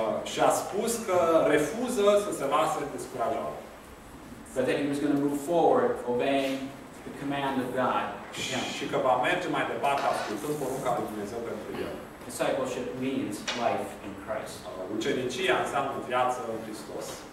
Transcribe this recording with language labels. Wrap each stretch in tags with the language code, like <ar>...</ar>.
<ro>Și a spus că refuză să se lase descurajat.</ro> <en>But that he was going to move forward obeying the command of God.</en> <ro>Și că va merge mai departe ascultând porunca lui Dumnezeu pentru el.</ro> <en>Discipleship means life in Christ.</en> <ro>Ucenicia înseamnă viață în Hristos.</ro>